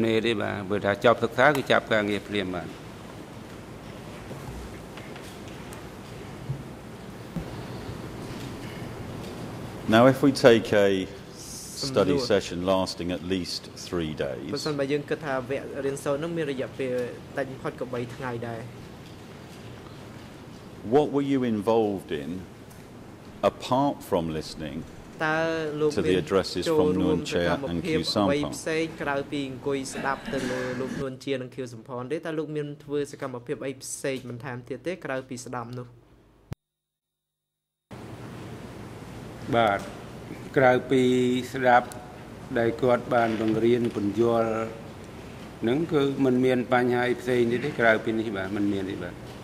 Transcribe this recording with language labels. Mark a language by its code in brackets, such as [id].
[km] ផុតពីសង្គ្រាមថាក្នុងការកសាងគឺថាត្រូវការឲ្យយើងថាមិនមានពេលទំនេរទេបាទព្រោះថាចប់សិក្សាគឺចាប់ការងារភ្លាមបាទ [en] Now if we take a study session lasting at least 3 days [km] បើសិនបើយើងគិតថាវគ្គរៀនសូត្រនោះមានរយៈពេលតិចបំផុតក៏ 3 ថ្ងៃដែរ [en] What were you involved in apart from listening to the addresses from Nuon Chea and Khieu Samphong. [km] ក្រៅ ពី អង្គុយ ស្ដាប់ ទៅ លើ លោក Nuon Chea និង Khieu Samphong ទេ តើ លោក មាន ធ្វើ សកម្មភាព អី ផ្សេង បន្ថែម ទៀត ទេ ក្រៅ ពី ស្ដាប់ នោះ បាទ ក្រៅ ពី ស្ដាប់ ដែល គាត់ បាន បង្រៀន ពន្យល់ នឹង គឺ មិន មាន បញ្ហា អី ផ្សេង ទេ ក្រៅ ពី នេះ បាទ មិន មាន ទេ បាទ